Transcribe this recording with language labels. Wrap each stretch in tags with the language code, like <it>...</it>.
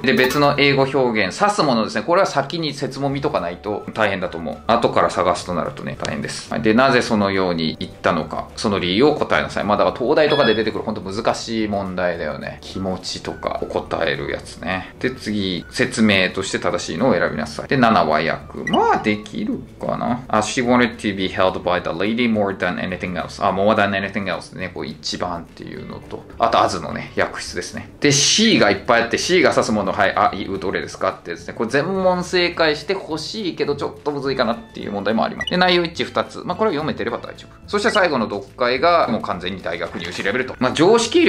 <ja>で、別の英語表現、指すものですね。これは先に説も見とかないと大変だと思う。後から探すとなるとね、大変です。で、なぜそのように言ったのか、その理由を答えなさい。まあ、だから東大とかで出てくる、ほんと難しい。難しい問題だよね。気持ちとかお答えるやつね。で、次、説明として正しいのを選びなさい。で、7は訳。まあ、できるかな。</ja> <en>As she wanted to be held by the lady more than anything else.</en> <ja>あ、</ja> <en>more than anything else</en> <ja>ね。こう、一番っていうのと。あと、as のね、訳出ですね。で、C がいっぱいあって、C が指すもの、はい、あ、いう、どれですかってですね。これ、全問正解してほしいけど、ちょっとむずいかなっていう問題もあります。で、内容一致2つ。まあ、これを読めてれば大丈夫。そして最後の読解が、もう完全に大学入試レベルと。まあ、常識力</ja>